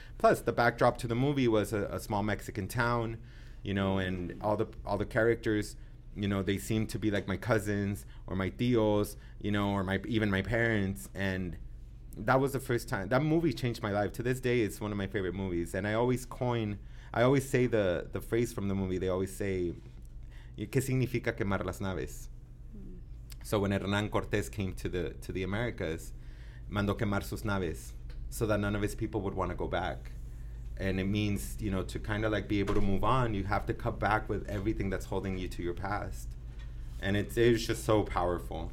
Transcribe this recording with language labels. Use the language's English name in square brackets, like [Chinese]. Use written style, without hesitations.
[English] Plus, the backdrop to the movie was a small Mexican town, you know, and all the characters, you know, they seem to be like my cousins or my tios, you know, or even my parents. And that was the first time. That movie changed my life. To this day, it's one of my favorite movies. And I always say the phrase from the movie. They always say, [Spanish] ¿qué significa quemar las naves? [English] So when Hernán Cortés came to the Americas, [Spanish] mandó quemar sus naves, [English] so that none of his people would want to go back. And it means, you know, to kind of like be able to move on, you have to cut back with everything that's holding you to your past. And it's just so powerful.